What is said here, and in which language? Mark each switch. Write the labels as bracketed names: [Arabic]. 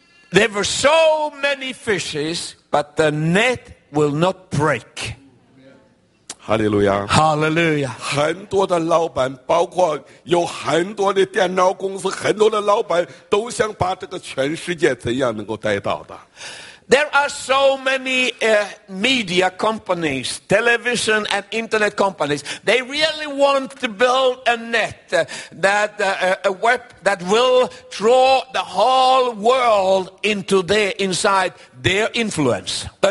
[English] There were so many fishes, but the net will not break. Hallelujah. Hallelujah. [Chinese] 很多的老板，包括有很多的电脑公司，很多的老板都想把这个全世界怎样能够带到的。 [English] There are so many media companies, television and internet companies. They really want to build a net, a web that will draw the whole world into inside their influence.